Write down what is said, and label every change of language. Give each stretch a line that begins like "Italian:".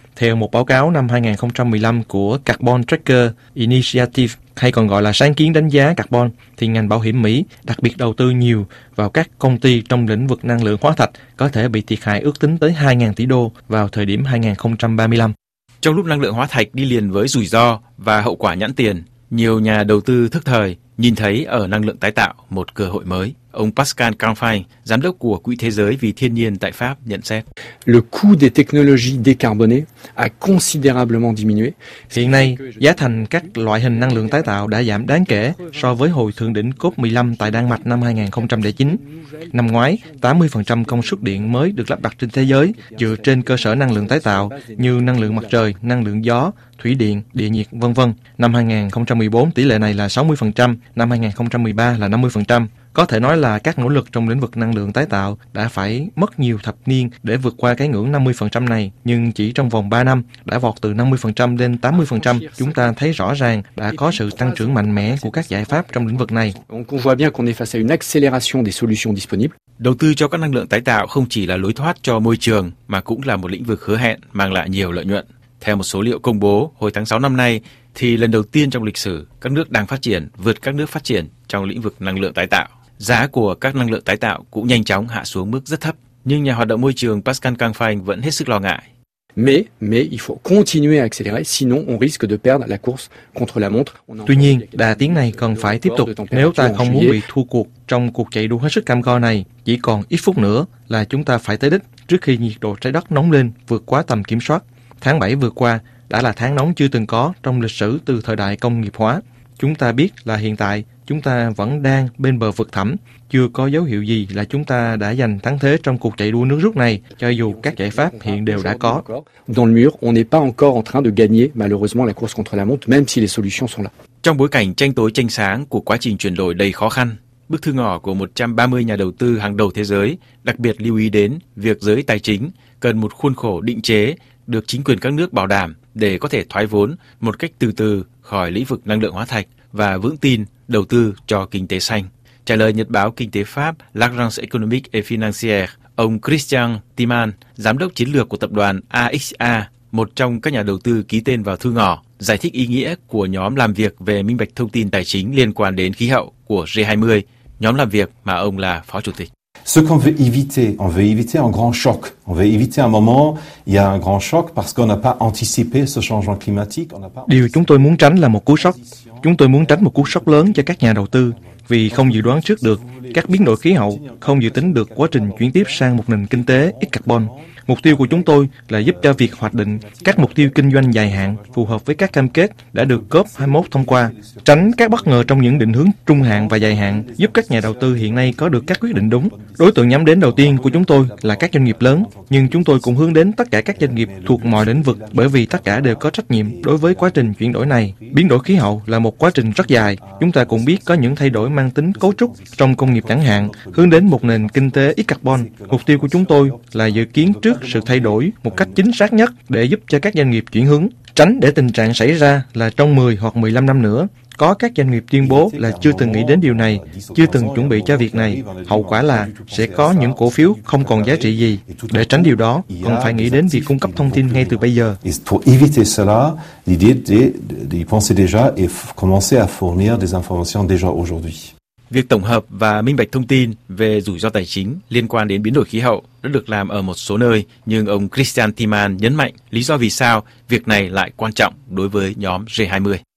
Vietnamese: Theo một báo cáo năm 2015 của Carbon Tracker Initiative, hay còn gọi là sáng kiến đánh giá carbon, thì ngành bảo hiểm Mỹ đặc biệt đầu tư nhiều vào các công ty trong lĩnh vực năng lượng hóa thạch có thể bị thiệt hại ước tính tới 2.000 tỷ đô vào thời điểm 2035. Trong lúc năng lượng hóa thạch đi liền với rủi ro và hậu quả nhãn tiền, nhiều nhà đầu tư thức thời nhìn thấy ở năng lượng tái tạo một cơ hội mới. Ông Pascal Canfin, giám đốc của Quỹ Thế giới vì Thiên nhiên tại Pháp, nhận xét.
French: Le coût des technologies décarbonées a considérablement diminué.
Vietnamese: Hiện nay, giá thành các loại hình năng lượng tái tạo đã giảm đáng kể so với hồi thượng đỉnh COP15 tại Đan Mạch năm 2009. Năm ngoái, 80% công suất điện mới được lắp đặt trên thế giới dựa trên cơ sở năng lượng tái tạo như năng lượng mặt trời, năng lượng gió, thủy điện, địa nhiệt, v.v. Năm 2014, tỷ lệ này là 60%, năm 2013 là 50%. Có thể nói là các nỗ lực trong lĩnh vực năng lượng tái tạo đã phải mất nhiều thập niên để vượt qua cái ngưỡng 50% này, nhưng chỉ trong vòng 3 năm đã vọt từ 50% lên 80%, chúng ta thấy rõ ràng đã có sự tăng trưởng mạnh mẽ của các giải pháp trong lĩnh vực này. Đầu tư cho các năng lượng tái tạo không chỉ là lối thoát cho môi trường mà cũng là một lĩnh vực hứa hẹn mang lại nhiều lợi nhuận. Theo một số liệu công bố hồi tháng 6 năm nay, thì lần đầu tiên trong lịch sử, các nước đang phát triển vượt các nước phát triển trong lĩnh vực năng lượng tái tạo. Giá của các năng lượng tái tạo cũng nhanh chóng hạ xuống mức rất thấp. Nhưng nhà hoạt động môi trường Pascal Canfin vẫn hết sức lo ngại.
French: Mais il faut continuer à accélérer, sinon on risque de perdre la course contre la montre.
Vietnamese: Tuy nhiên, đà tiến này cần phải tiếp tục nếu ta không muốn bị thua cuộc trong cuộc chạy đua hết sức cam go này. Chỉ còn ít phút nữa là chúng ta phải tới đích trước khi nhiệt độ trái đất nóng lên vượt quá tầm kiểm soát. Tháng 7 vừa qua đã là tháng nóng chưa từng có trong lịch sử từ thời đại công nghiệp hóa. Chúng ta biết là hiện tại chúng ta vẫn đang bên bờ vực thẳm, chưa có dấu hiệu gì là chúng ta đã giành thắng thế trong cuộc chạy đua nước rút này, cho dù các giải pháp hiện đều đã có.
French: Dans le mur, on n'est pas encore en train de gagner malheureusement la course contre la montre, même si les solutions sont là.
Vietnamese: Trong bối cảnh tranh tối tranh sáng của quá trình chuyển đổi đầy khó khăn, bức thư ngỏ của 130 nhà đầu tư hàng đầu thế giới đặc biệt lưu ý đến việc giới tài chính cần một khuôn khổ định chế được chính quyền các nước bảo đảm để có thể thoái vốn một cách từ từ khỏi lĩnh vực năng lượng hóa thạch và vững tin đầu tư cho kinh tế xanh. Trả lời nhật báo kinh tế Pháp L'Agence économique et financière, ông Christian Timan, giám đốc chiến lược của tập đoàn AXA, một trong các nhà đầu tư ký tên vào thư ngỏ, giải thích ý nghĩa của nhóm làm việc về minh bạch thông tin tài chính liên quan đến khí hậu của G20, nhóm làm việc mà ông là phó chủ tịch.
French: Ce qu'on veut éviter un grand choc. On veut éviter un moment, il y a un grand choc parce qu'on n'a pas anticipé ce changement climatique.
Vietnamese: Điều chúng tôi muốn tránh là một cú sốc. Chúng tôi muốn tránh một cú sốc lớn cho các nhà đầu tư vì không dự đoán trước được các biến đổi khí hậu, không dự tính được quá trình chuyển tiếp sang một nền kinh tế ít carbon. Mục tiêu của chúng tôi là giúp cho việc hoạch định các mục tiêu kinh doanh dài hạn phù hợp với các cam kết đã được COP21 thông qua, tránh các bất ngờ trong những định hướng trung hạn và dài hạn, giúp các nhà đầu tư hiện nay có được các quyết định đúng. Đối tượng nhắm đến đầu tiên của chúng tôi là các doanh nghiệp lớn, nhưng chúng tôi cũng hướng đến tất cả các doanh nghiệp thuộc mọi lĩnh vực bởi vì tất cả đều có trách nhiệm đối với quá trình chuyển đổi này. Biến đổi khí hậu là một quá trình rất dài. Chúng ta cũng biết có những thay đổi mang tính cấu trúc trong công nghiệp chẳng hạn, hướng đến một nền kinh tế ít carbon. Mục tiêu của chúng tôi là dự kiến trước sự thay đổi một cách chính xác nhất để giúp cho các doanh nghiệp chuyển hướng, tránh để tình trạng xảy ra là trong 10 hoặc 15 năm nữa, có các doanh nghiệp tuyên bố là chưa từng nghĩ đến điều này, chưa từng chuẩn bị cho việc này. Hậu quả là sẽ có những cổ phiếu không còn giá trị gì. Để tránh điều đó, cần phải nghĩ đến việc cung cấp thông tin ngay từ bây giờ.
French: Pour éviter cela, l'idée de penser déjà et commencer à fournir des informations déjà aujourd'hui.
Vietnamese: Việc tổng hợp và minh bạch thông tin về rủi ro tài chính liên quan đến biến đổi khí hậu đã được làm ở một số nơi, nhưng ông Christian Timan nhấn mạnh lý do vì sao việc này lại quan trọng đối với nhóm G20.